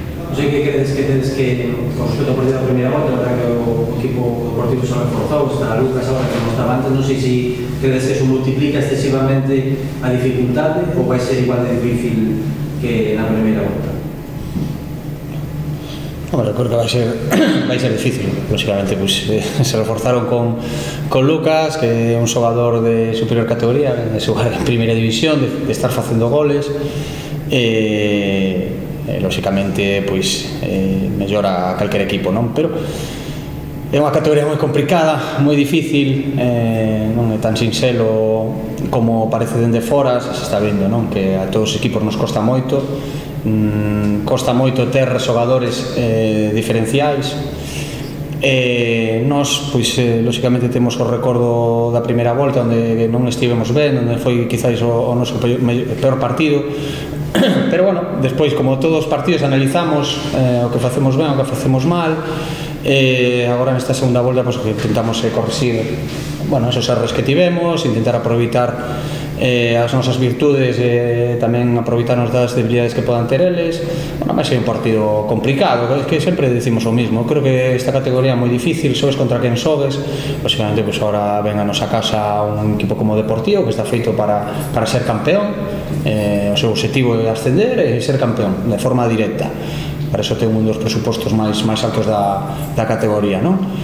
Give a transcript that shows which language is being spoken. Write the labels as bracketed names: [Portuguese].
[Spanish] José, ¿qué crees que tienes que, con respecto a la primera vuelta, la verdad que el equipo Deportivo se ha reforzado, está Lucas ahora que no estaba antes? No sé si crees que eso multiplica excesivamente a dificultad, o va a ser igual de difícil que [Galician] na primeira volta. Creo que vai ser difícil. Lógicamente, pues, se reforzaron con Lucas, que é un xogador de superior categoría, de xogar en primeira división, de estar facendo goles. Lógicamente, pues, mellora a calquer equipo, non? Pero é unha categoría moi complicada, moi difícil, non é tan sinxelo como parece dende fora. Se está vendo, non? Que a todos os equipos nos costa moito, costa moito ter xogadores diferenciais, Nos, pois, lóxicamente, temos o recordo da primeira volta onde non estivemos ben, onde foi quizáis o noso peor partido. Pero bueno, despois, como todos os partidos, analizamos o que facemos ben, o que facemos mal. Agora nesta segunda volta, pois, intentamos corrixir, bueno, esos erros que tivemos, intentar aproveitar as nosas virtudes, tamén aproveitarnos das debilidades que podan ter eles. Bueno, vai ser un partido complicado, que sempre decimos o mismo. Creo que esta categoría é moi difícil, sobes contra quen sobes. Básicamente, pois, agora ven a nosa casa un equipo como Deportivo, que está feito para ser campeón. O seu objetivo é ascender e ser campeón de forma directa. Para iso ten un dos presupostos máis altos da categoría, non?